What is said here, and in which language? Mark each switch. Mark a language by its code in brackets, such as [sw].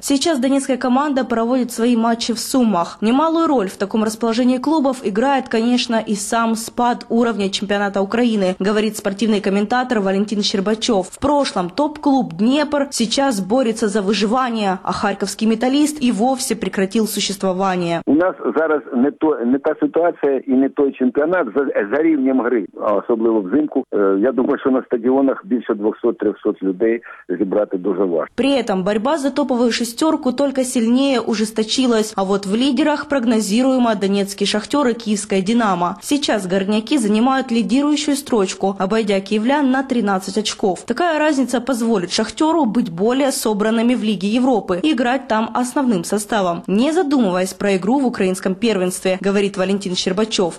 [ru] Сейчас донецкая команда проводит свои матчи в Сумах. Немалую роль в таком расположении клубов играет, конечно, и сам спад уровня чемпионата Украины, говорит спортивный комментатор Валентин Щербачев. В прошлом топ-клуб «Днепр» сейчас борется за выживание, а харьковский «Металлист» и вовсе прекратил существование. [uk] У нас зараз не та ситуація і не той чемпіонат за рівнем гри, особливо взимку. Я думаю, що на стадіонах більше 200-300 людей зібрати дуже важко. [ru] При этом борьба за топовую шестерку только сильнее ужесточилась. А вот в лидерах прогнозируемо донецкий «Шахтер» и киевская «Динамо». Сейчас горняки занимают лидирующую строчку, обойдя киевлян на 13 очков. Такая разница позволит «Шахтеру» быть более собранными в Лиге Европы и играть там основным составом, не задумываясь про игру в украинском первенстве, говорит Валентин Щербачев.